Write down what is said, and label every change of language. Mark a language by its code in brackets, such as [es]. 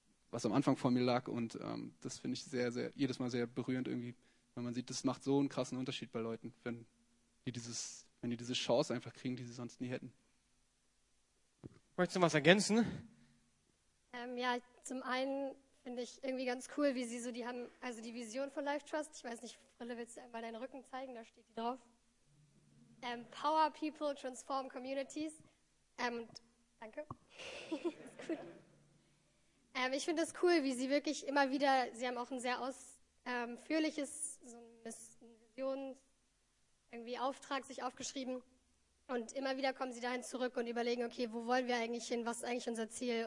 [de] was am Anfang vor mir lag und das finde ich sehr, sehr, jedes Mal sehr berührend irgendwie, wenn man sieht, das macht so einen krassen Unterschied bei Leuten, wenn die diese Chance einfach kriegen, die sie sonst nie hätten. Möchtest du was ergänzen? Ja, zum einen finde ich irgendwie ganz cool, wie sie so, die haben also die Vision von Life Trust. Ich weiß nicht, Brille, willst du einmal deinen Rücken zeigen? Da steht die drauf. [en] Empower people, transform communities. [de] Danke. Ist gut. Ich finde es cool, wie sie wirklich immer wieder, sie haben auch ein sehr ausführliches, so ein Visionsauftrag sich aufgeschrieben. Und immer wieder kommen sie dahin zurück und überlegen, okay, wo wollen wir eigentlich hin, was ist eigentlich unser Ziel?